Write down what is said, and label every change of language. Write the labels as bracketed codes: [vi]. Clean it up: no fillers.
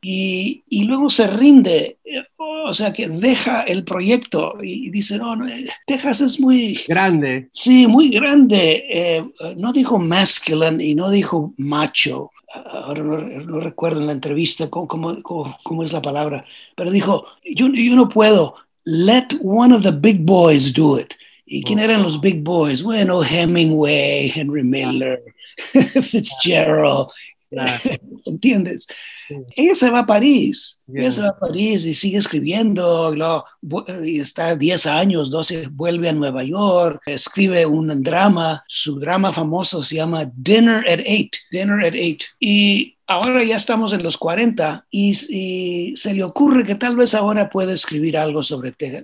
[es] Y luego se rinde, o sea, que deja el proyecto y dice, no, Texas es muy grande. Sí, muy grande. No dijo masculine y no dijo macho. Ahora no recuerdo en la entrevista cómo es la palabra. Pero dijo, yo no puedo. [en] Let one of the big boys do it. [es] ¿Y quién eran los big boys? Bueno, Hemingway, Henry Miller, Fitzgerald, ¿entiendes? Sí. Ella se va a París, ella se va a París y sigue escribiendo, y está 10 años, 12, vuelve a Nueva York, escribe un drama, su drama famoso se llama Dinner at Eight, y ahora ya estamos en los 40 y se le ocurre que tal vez ahora puede escribir algo sobre Texas.